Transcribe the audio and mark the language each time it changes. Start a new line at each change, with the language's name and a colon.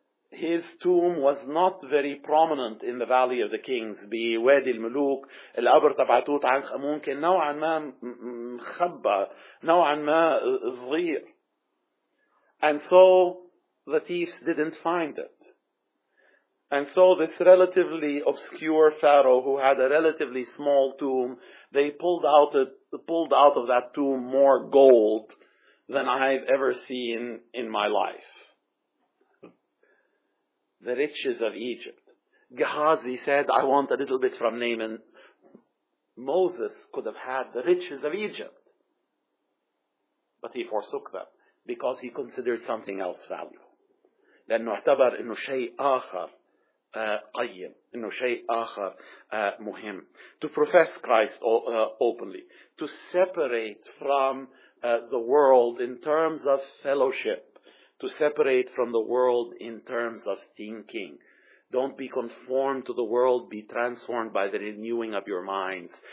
English: His tomb was not very prominent in the Valley of the Kings.
Arabic: بوادي الملوك القبر تبع Tutankhamun كان نوعا ما مخبى نوعا ما صغير.
English: And so the thieves didn't find it. And so this relatively obscure pharaoh who had a relatively small tomb, they pulled out of that tomb more gold than I've ever seen in my life. The riches of Egypt. Gehazi said, I want a little bit from Naaman. Moses could have had the riches of Egypt. But he forsook them because he considered something else valuable.
Arabic: لأنه اعتبر إنه شيء آخر قيم. إنه شيء آخر مهم.
English: To profess Christ openly. To separate from the world in terms of fellowship. To separate from the world in terms of thinking. Don't be conformed to the world. Be transformed by the renewing of your minds.